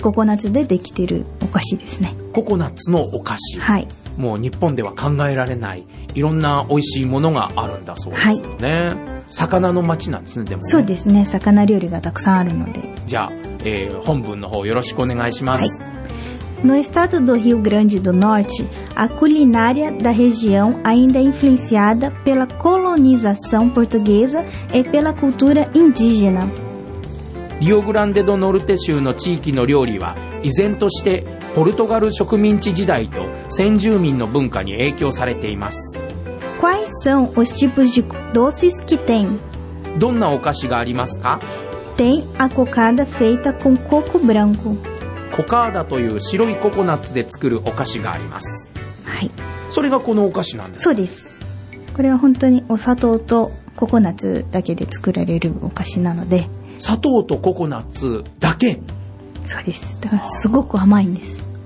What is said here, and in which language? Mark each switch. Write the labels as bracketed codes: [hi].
[ja] ココナッツでできてるお菓子ですね。ココナッツのお菓子、はい、もう日本では考えられないいろんな美味しいものがあるんだそうですよね、はい、魚の町なんですね。でもね、そうですね、魚料理がたくさんあるので。じゃあ、本文の方よろしくお願いします。 [pt] はい、No estado do Rio Grande do Norte, a culinária da região ainda é influenciada pela colonização portuguesa e pela cultura indígena。 [ja] リオグランデドノルテ州の地域の料理は依然としてポルトガル植民地時代と先住民の文化に影響されています。 [pt] Quais são os tipos de doces que tem? [ja] どんなお菓子がありますか? [pt] Tem a cocada feita com coco branco。 [ja] コカーダという白いココナッツで作るお菓子があります。はい、それがこのお菓子なんです。そうです、これは本当にお砂糖とココナッツだけで作られるお菓子なので。砂糖とココナッツだけ。そうです、だからすごく甘いんです。